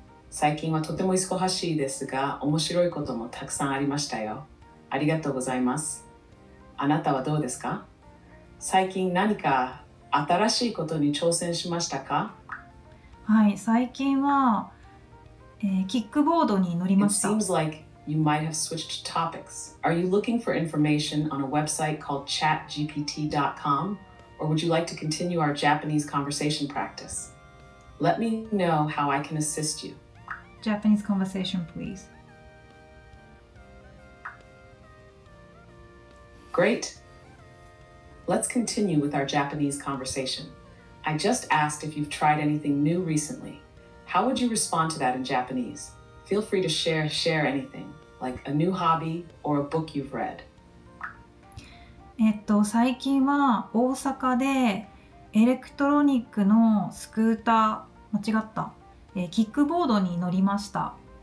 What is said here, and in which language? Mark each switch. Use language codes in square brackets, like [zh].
[ja] 最近はとても忙しいですが、面白いこともたくさんありましたよ。ありがとうございます。あなたはどうですか？最近何か新しいことに挑戦しましたか？はい、最近はキックボードに乗りました。 [en] It seems like you might have switched topics. Are you looking for information on a website called chatgpt.com? Or would you like to continue our Japanese conversation practice? Let me know how I can assist you. Japanese conversation, please. Great. Let's continue with our Japanese conversation. I just asked if you've tried anything new recently. How would you respond to that in Japanese? Feel free to share anything, like a new hobby or a book you've read. [ja] 最近は大阪でエレクトロニックのスクーター、間違った、キックボードに乗りました。